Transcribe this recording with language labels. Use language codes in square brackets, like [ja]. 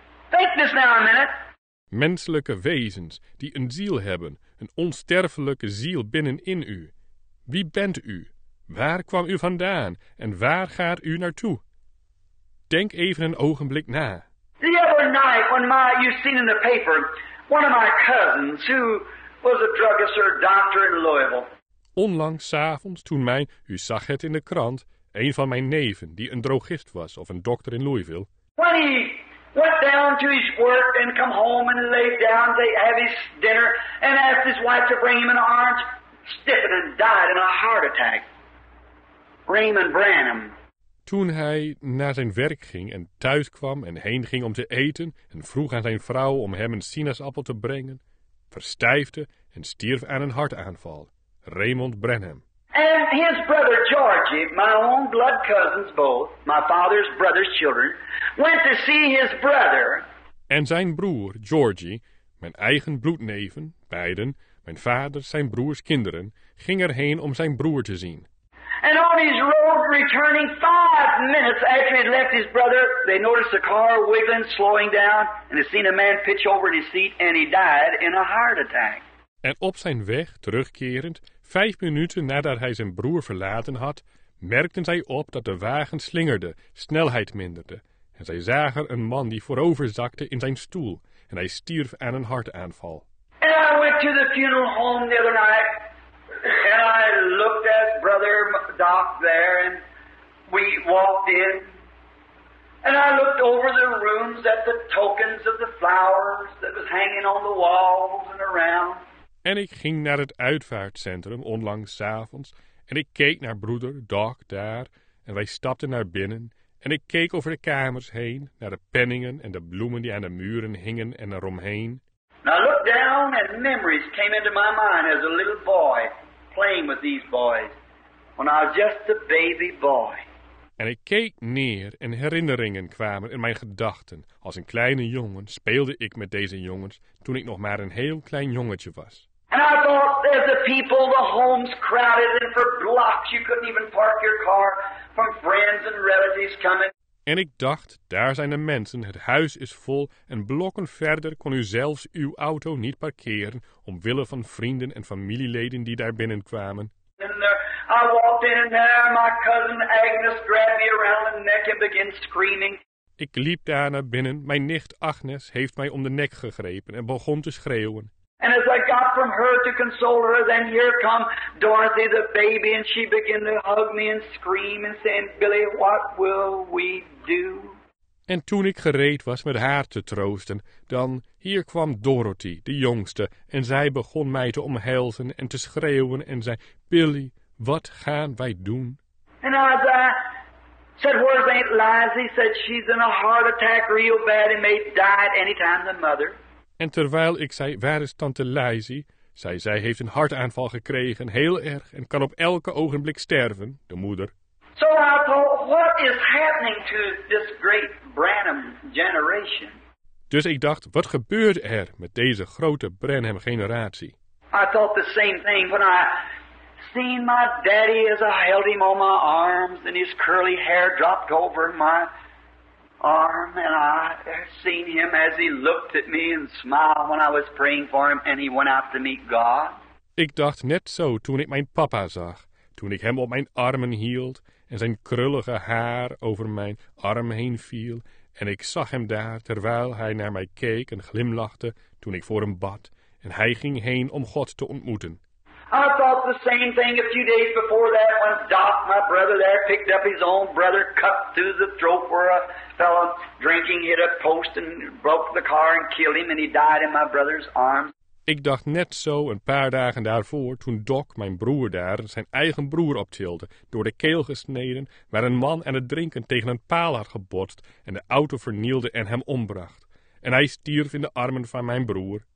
[en] Think this now a minute. [nl] Menselijke wezens die een ziel hebben, een onsterfelijke ziel binnenin u. Wie bent u? Waar kwam u vandaan en waar gaat u naartoe? Denk even een ogenblik na. [en] The other night when you've seen in the paper one of my cousins who was a druggist or a doctor in Louisville. [nl] Onlangs 's avonds toen mij, u zag het in de krant, een van mijn neven die een drogist was of een dokter in Louisville. [en] When he went down to his work and come home and lay down to have his dinner and asked his wife to bring him an orange, stiffened and died in a heart attack. Raymond Branham. [nl] Toen hij naar zijn werk ging en thuis kwam en heen ging om te eten en vroeg aan zijn vrouw om hem een sinaasappel te brengen, verstijfde en stierf aan een hartaanval. Raymond Branham. [en] And his brother Georgie, my own blood cousins both, my father's brother's children, went to see his brother. [nl] En zijn broer Georgie, mijn eigen bloedneven, beiden, mijn vader, zijn broers kinderen, ging erheen om zijn broer te zien. [en] And on his road returning 5 minutes after he'd left his brother, they noticed the car wiggling, slowing down, and they seen a man pitch over in his seat and he died in a heart attack. [nl] En op zijn weg, terugkerend, 5 minuten nadat hij zijn broer verlaten had, merkten zij op dat de wagen slingerde, snelheid minderde. En zij zagen een man die voorover zakte in zijn stoel, en hij stierf aan een hartaanval. [en] And I went to the funeral home the other night, and I looked at brother Doc there, and we walked in. And I looked over the rooms at the tokens of the flowers that was hanging on the walls and around. [nl] En ik ging naar het uitvaartcentrum onlangs 's avonds en ik keek naar broeder Doc daar en wij stapten naar binnen en ik keek over de kamers heen naar de penningen en de bloemen die aan de muren hingen en eromheen. [en] Now look down and memories came into my mind as a little boy playing with these boys when I was just a baby boy. [nl] En ik keek neer en herinneringen kwamen in mijn gedachten. Als een kleine jongen speelde ik met deze jongens toen ik nog maar een heel klein jongetje was. [en] And I thought as the people, the homes crowded and for blocks you couldn't even park your car from friends and relatives coming. [nl] En ik dacht, daar zijn de mensen, het huis is vol en blokken verder kon u zelfs uw auto niet parkeren omwille van vrienden en familieleden die daar binnenkwamen. [en] I walked in and there my cousin Agnes grabbed me around the neck and began screaming. [nl] Ik liep daar naar binnen. Mijn nicht Agnes heeft mij om de nek gegrepen en begon te schreeuwen. [en] And as I got from her to console her, then here come Dorothy the baby and she began to hug me and scream and saying, Billy, what will we do? [nl] En toen ik gereed was met haar te troosten, dan hier kwam Dorothy, de jongste, en zij begon mij te omhelzen en te schreeuwen en zei, Billy, wat gaan wij doen? [en] And as I said, where's Aunt Liza? He said, she's in a heart attack real bad and may die at any time, the mother. [nl] En terwijl ik zei, waar is tante Liza? Zij heeft een hartaanval gekregen, heel erg, en kan op elke ogenblik sterven, de moeder. [en] So I thought, what is happening to this great Branham generation? [nl] Dus ik dacht, wat gebeurt er met deze grote Branham generatie? [en] I thought the same thing when I seen my daddy as I held him on my arms and his curly hair dropped over my arm, and I seen him as he looked at me and smiled when I was praying for him and he went out to meet God. [nl] Ik dacht net zo toen ik mijn papa zag, toen ik hem op mijn armen hield en zijn krullige haar over mijn arm heen viel. En ik zag hem daar terwijl hij naar mij keek en glimlachte toen ik voor hem bad. En hij ging heen om God te ontmoeten. [en] I thought the same thing a few days before that when Doc, my brother there, picked up his own brother, cut through the throat where a fellow drinking hit a post and broke the car and killed him and he died in my brother's arms. [nl] Ik dacht net zo een paar dagen daarvoor toen Doc, mijn broer daar, zijn eigen broer optilde, door de keel gesneden, waar een man aan het drinken tegen een paal had gebotst en de auto vernielde en hem ombracht. En hij stierf in de armen van mijn broer.